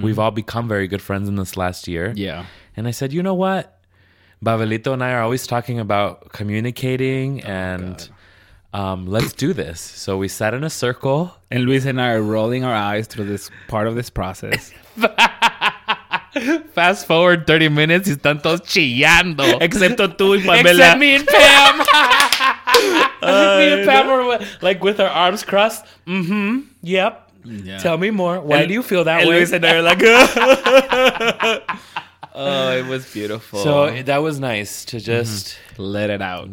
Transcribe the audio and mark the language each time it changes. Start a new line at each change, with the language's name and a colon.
English: We've all become very good friends in this last year. Yeah. And I said, you know what? Babelito and I are always talking about communicating let's do this. So we sat in a circle. And Luis and I are rolling our eyes through this part of this process. Fast forward 30 minutes
Spanish: y están todos chillando. Excepto tú y Pamela.
English: Except me and Pam. Me and Pam were like with our arms crossed. Mm-hmm. Yep. Yeah. Tell me more. Why do you feel that way? Luis and I were like... Oh, it was beautiful. So that was nice to just... Mm-hmm. Let it out.